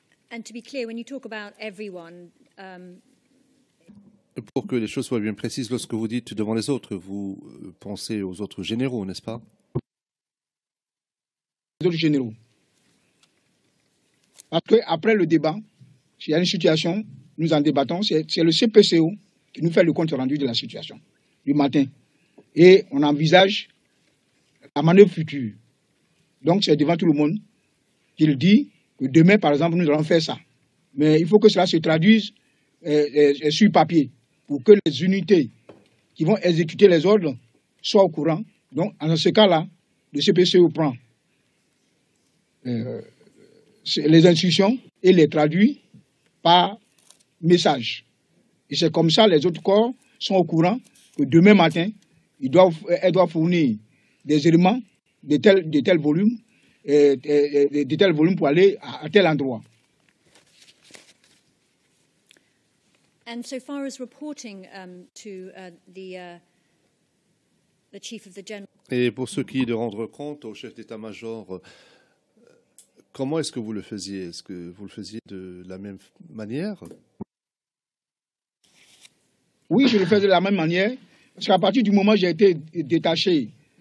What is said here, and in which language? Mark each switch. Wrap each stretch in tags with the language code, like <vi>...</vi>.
<en>And to be clear, when you talk about everyone,</en> <fr>pour que les choses soient bien précises, lorsque vous dites devant les autres, vous pensez aux autres généraux, n'est-ce pas? Les autres généraux. Parce qu'après le débat, s'il y a une situation, nous en débattons, c'est le CPCO qui nous fait le compte-rendu de la situation du matin. Et on envisage la manœuvre future. Donc c'est devant tout le monde qu'il dit que demain, par exemple, nous allons faire ça. Mais il faut que cela se traduise sur papier pour que les unités qui vont exécuter les ordres soient au courant. Donc dans ce cas-là, le CPCO prend les instructions et les traduit par message. Et c'est comme ça les autres corps sont au courant que demain matin, elles doivent fournir des éléments de tel volume pour aller à tel endroit.</fr> <en>And so far as reporting to the chief of the general.</en> <fr>Et pour ce qui est de rendre compte au chef d'état-major, comment est-ce que vous le faisiez? Est-ce que vous le faisiez de la même manière? Oui, je le faisais de la même manière. Parce qu'à partir du moment où j'ai été détaché</fr>